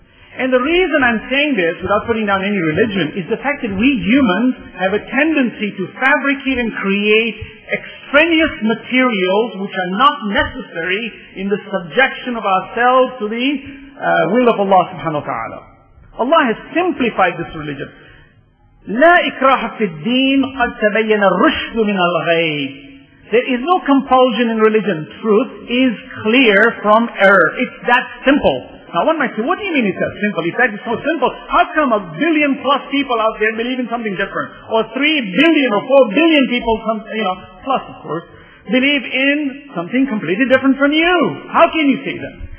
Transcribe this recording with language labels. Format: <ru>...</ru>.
<en>And the reason I'm saying this, without putting down any religion, is the fact that we humans have a tendency to fabricate and create extraneous materials which are not necessary in the subjection of ourselves to the will of Allah subhanahu wa ta'ala. Allah has simplified this religion.</en> <ar>لا إكراه في الدين قد تبين الرشد من الغي.</ar> <en>There is no compulsion in religion. Truth is clear from error. It's that simple. Now one might say, what do you mean it's that simple? It's that it's so simple. How come a billion plus people out there believe in something different? Or 3 billion or 4 billion people, plus of course, believe in something completely different from you? How can you say that?</en>